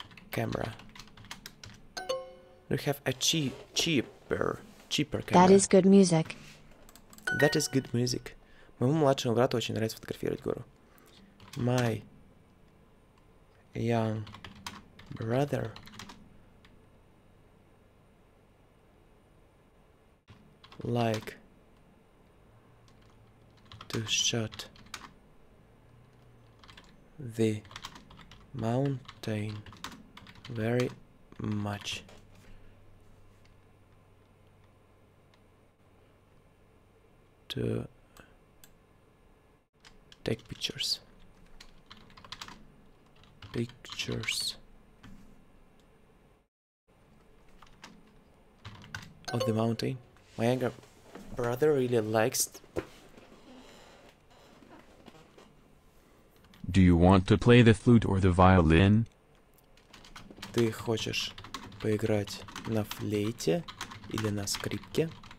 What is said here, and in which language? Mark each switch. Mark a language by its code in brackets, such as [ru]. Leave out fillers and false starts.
[en] camera? Do you have a cheaper camera? That is good music. That is good music. [ru] Моему младшему брату очень нравится фотографировать гору. [en] My young brother like to shoot the mountain very much. To take pictures. Pictures of the mountain. My younger brother really likes. Do you want to play the flute or the violin? [ru] Ты хочешь поиграть на флейте или на скрипке?